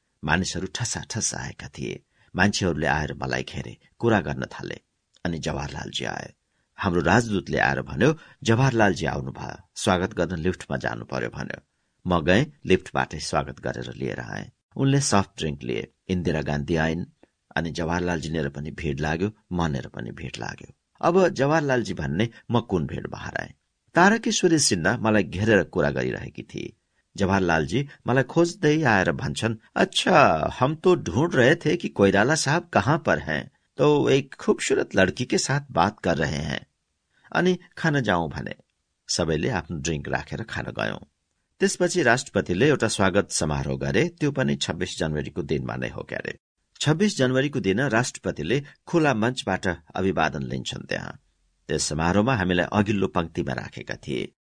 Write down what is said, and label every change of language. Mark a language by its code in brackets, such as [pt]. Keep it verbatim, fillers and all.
[ne] मानिसहरू ठसाठस आएका थिए। मान्छेहरूले आएर मलाई घेरे, कुरा गर्न थाले, अनि जवाहरलालजी आए। हाम्रो राजदूतले आएर भन्यो, जवाहरलालजी आउनुभयो, स्वागत गर्न लिफ्टमा जानु पर्यो भन्यो। म गएँ, लिफ्टबाटै स्वागत गरेर लिएर आएँ। उनले सफ्ट ड्रिङ्क लिए, इन्दिरा गान्धी आइन्, अनि जवाहरलालजीनेर पनि भिड लाग्यो, मनेर पनि भिड लाग्यो। अब जवाहरलालजी भन्ने म कुन भिड बाह्राएँ। तारकेश्वरी सिन्हा मलाई घेरेर कुरा गरिरहेकी थिए। जवाहरलालजी मलाई खोज्दै आएर भन्छन्, [hi] अच्छा, हम तो ढूंढ रहे थे कि कोइराला साहब कहाँ पर हैं, तो एक खूबसूरत लड़की के साथ बात कर रहे हैं, [ne] अनि खान जाउँ भने। सबैले आफ्नो ड्रिङ्क राखेर खान गयौं। त्यसपछि राष्ट्रपतिले एउटा स्वागत समारोह गरे, त्यो पनि छब्बीस जनवरीको दिनमा नै हो क्यारे। छब्बीस जनवरीको दिन राष्ट्रपतिले खुला मञ्चबाट अभिवादन लिन्छन्। त्यहाँ त्यस समारोहमा हामीलाई अघिल्लो पंक्तिमा राखेका थिए।